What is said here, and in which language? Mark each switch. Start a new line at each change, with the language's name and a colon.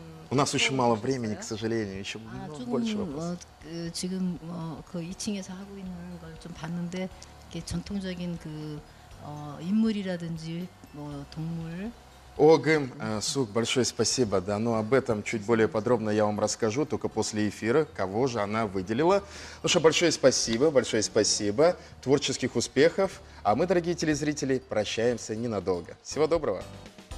Russian: У нас еще мало времени, к сожалению, еще больше вопросов.
Korean: 지금 그 2층에서 하고 있는 걸 좀 봤는데, 이게 전통적인 그 인물이라든지 뭐 동물.
Russian: Огым, Сук, большое спасибо, да, но об этом чуть более подробно я вам расскажу, только после эфира, кого же она выделила. Ну что, большое спасибо, творческих успехов, а мы, дорогие телезрители, прощаемся ненадолго. Всего доброго!